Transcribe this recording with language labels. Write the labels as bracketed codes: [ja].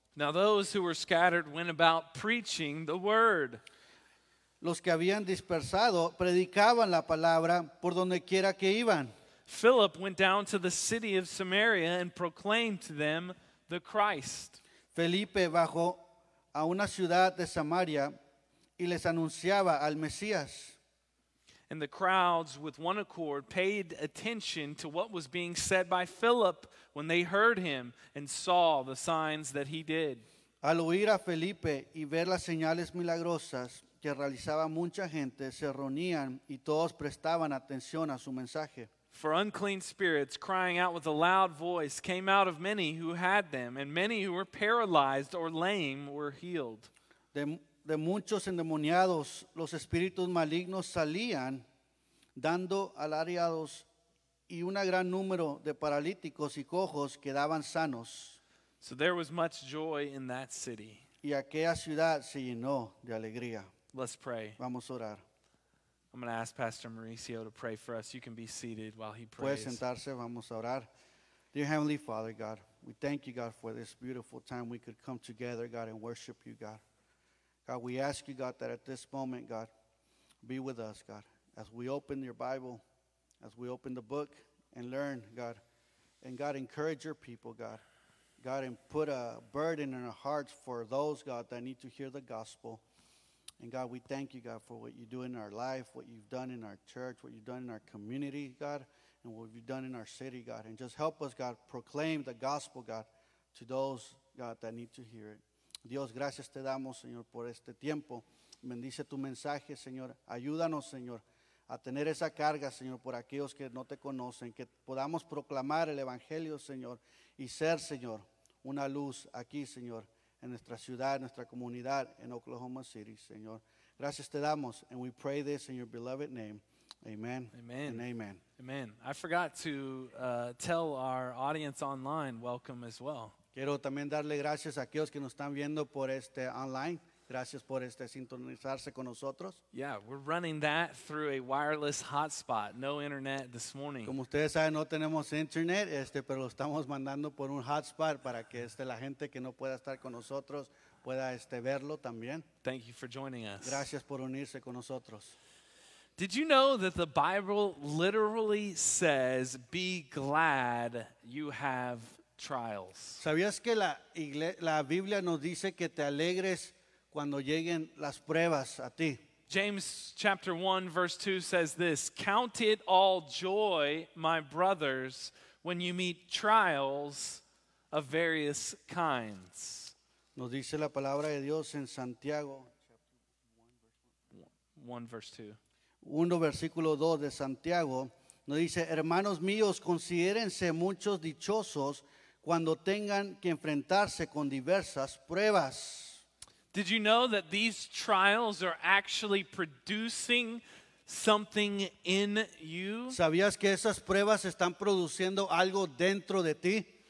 [en] Now those who were scattered went about preaching the word. [es] Los que habían dispersado predicaban la palabra por dondequiera que iban. [en] Philip went down to the city of Samaria and proclaimed to them the Christ. [es] Felipe bajó a una ciudad de Samaria y les anunciaba al Mesías. [en] And the crowds with one accord paid attention to what was being said by Philip when they heard him and saw the signs that he did. [es] Al oír a Felipe y ver las señales milagrosas que realizaba mucha gente, se reunían y todos prestaban atención a su mensaje. [en] For unclean spirits, crying out with a loud voice, came out of many who had them, and many who were paralyzed or lame were healed. [es] De muchos endemoniados, los espíritus malignos salían, dando alariados, y una gran número de paralíticos y cojos quedaban sanos. [en] So there was much joy in that city. [es] Y aquella ciudad se llenó de alegría. [en] Let's pray. [es] Vamos a orar. [en] I'm going to ask Pastor Mauricio to pray for us. You can be seated while he prays. [es] Puede sentarse, vamos a orar. [en] Dear Heavenly Father, God, we thank you, God, for this beautiful time we could come together, God, and worship you, God. God, we ask you, God, that at this moment, God, be with us, God, as we open your Bible, as we open the book and learn, God, and God, encourage your people, God. God, and put a burden in our hearts for those, God, that need to hear the gospel. And God, we thank you, God, for what you do in our life, what you've done in our church, what you've done in our community, God, and what you've done in our city, God. And just help us, God, proclaim the gospel, God, to those, God, that need to hear it. [es] Dios, gracias te damos, Señor, por este tiempo. Bendice tu mensaje, Señor. Ayúdanos, Señor, a tener esa carga, Señor, por aquellos que no te conocen, que podamos proclamar el Evangelio, Señor, y ser, Señor, una luz aquí, Señor, en nuestra ciudad, en nuestra comunidad, en Oklahoma City, Señor. Gracias te damos, [en] and we pray this in your beloved name. Amen. Amen. And amen. Amen. I forgot to tell our audience online welcome as well. [es] Quiero también darle gracias a aquellos que nos están viendo por este online. Gracias por este sintonizarse con nosotros. [en] Yeah, we're running that through a wireless hotspot. No internet this morning. [es] Como ustedes saben, no tenemos internet, pero lo estamos mandando por un hotspot para que la gente que no pueda estar con nosotros pueda verlo también. [en] Thank you for joining us. [es] Gracias por unirse con nosotros. [en] Did you know that the Bible literally says, "Be glad you have trials"? [es] ¿Sabías que la Biblia nos dice que te alegres cuando lleguen las pruebas a ti? [en] James chapter 1 verse 2 says this, "Count it all joy, my brothers, when you meet trials of various kinds." [es] Nos dice la palabra de Dios en Santiago 1 versículo 2 de Santiago, nos dice, "Hermanos míos, considérense muchos dichosos cuando tengan que enfrentarse con diversas pruebas." [en] Did you know that these trials are actually producing something in you? [es] ¿Sabías que esas pruebas están produciendo algo dentro de ti?